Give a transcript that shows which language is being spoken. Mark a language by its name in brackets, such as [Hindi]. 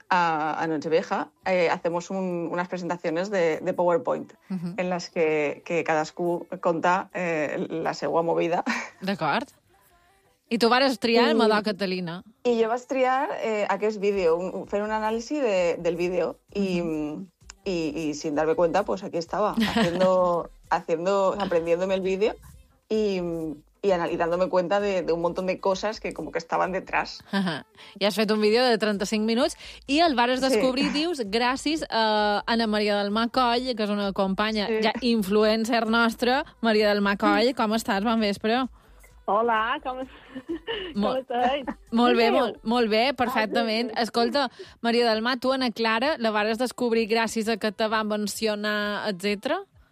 [Spanish] A Nochevieja, hacemos unas presentaciones de PowerPoint uh-huh. en las que [Catalan] cadascú conta la seua movida. D'acord. I tu vas triar el Madó Catalina. I jo vas triar aquest vídeo, fer un anàlisi del vídeo uh-huh. [Spanish] y sin darme cuenta, pues aquí estaba, aprendiéndome el vídeo y dándome cuenta de un montón de cosas que como que estaban detrás. [Catalan] Ja has fet un vídeo de 35 minuts i el vares descobrir, sí. Dius, gràcies a Anna Maria del Mar Coll, que és una companya, sí. Ja influencer nostra, Maria del Mar Coll. Sí. Com estàs? Bon vespre. Hola, com estàs? Molt bé, perfectament. Ah, sí. Escolta, Maria del Mar, tu, Anna Clara, la vares descobrir gràcies a que te van mencionar, etcètera?